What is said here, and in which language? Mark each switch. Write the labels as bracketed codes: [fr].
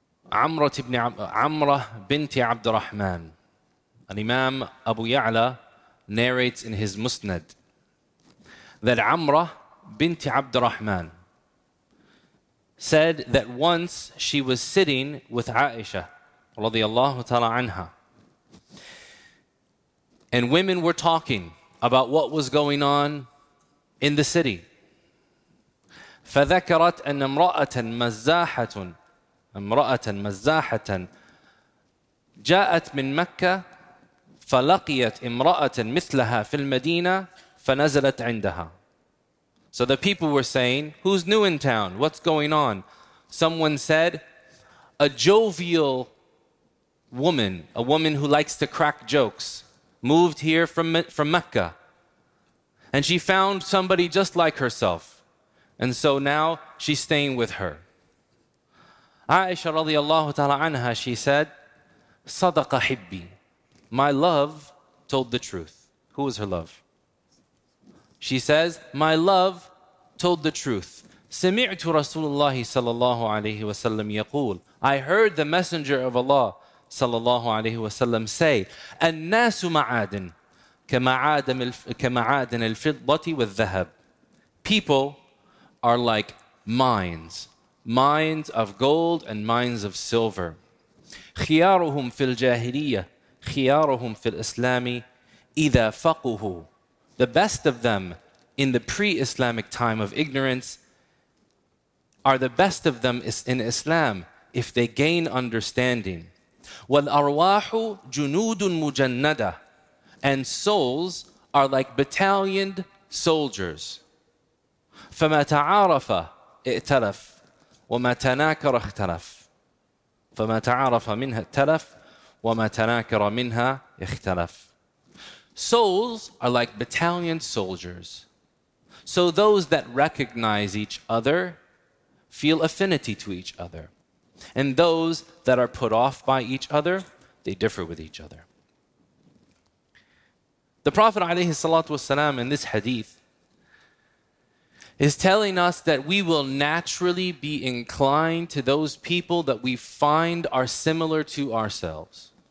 [en] Amrah binti Abd Rahman, an Imam Abu Ya'la narrates in his Musnad that Amrah binti Abd Rahman said that once she was sitting with Aisha radiallahu ta'ala anha, and women were talking about what was going on in the city. [ar] فذكرت أن امرأة مزاحة امرأة مزاحة جاءت من مكة فلقيت امرأة مثلها في المدينة فنزلت عندها. [en] So the people were saying, who's new in town? What's going on? Someone said, a jovial woman, a woman who likes to crack jokes, moved here from Mecca. And she found somebody just like herself. And so now she's staying with her. Aisha radiallahu ta'ala anha, she said, [ar] Sadaqa hibbi. [en] My love told the truth. Who was her love? She says, my love told the truth. [ar] Sami'tu Rasulullah sallallahu alayhi wa sallam yaqul. [en] I heard the Messenger of Allah sallallahu alayhi wa sallam say, [ar] An-nasu ma'adin, kama'adin al-fiddati wal-dhahab. [en] People are like mines. Mines of gold and mines of silver. [ar] خيارهم في الجاهلية خيارهم في الإسلام إذا فقهوا. [en] The best of them in the pre-Islamic time of ignorance are the best of them in Islam if they gain understanding. [ar] والأرواح جنود مجندة. [en] And souls are like battalioned soldiers. [ar] فما تعارف ائتلف وما تناكر اختلف فما تعارف منها ائتلف وما تناكر منها اختلف. [en] Souls are like battalion soldiers. So those that recognize each other feel affinity to each other. And those that are put off by each other, they differ with each other. The Prophet عليه الصلاة والسلام in this hadith is telling us that we will naturally be inclined to those people that we find are similar to ourselves.